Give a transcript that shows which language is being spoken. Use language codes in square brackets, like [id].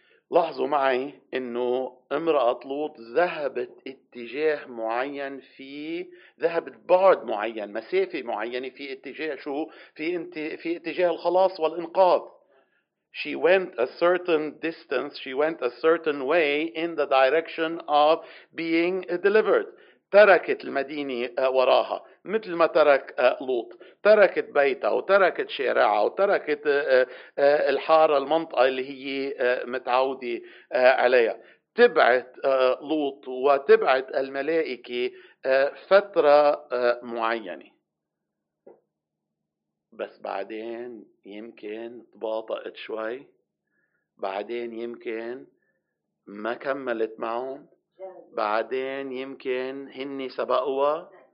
[ar] لاحظوا معي انه امرأة لوط ذهبت اتجاه معين، في ذهبت بعد معين، مسافة معينة، في اتجاه شو، في اتجاه الخلاص والانقاذ. [en] She went a certain distance, she went a certain way in the direction of being delivered. [ar] تركت المدينة وراها مثل ما ترك لوط، تركت بيتها وتركت شارعها وتركت الحارة، المنطقة اللي هي متعودة عليها. تبعت لوط وتبعت الملائكة فترة معينة، بس بعدين يمكن تباطأت شوي، بعدين يمكن ما كملت معهم، بعدين يمكن هني سبقوها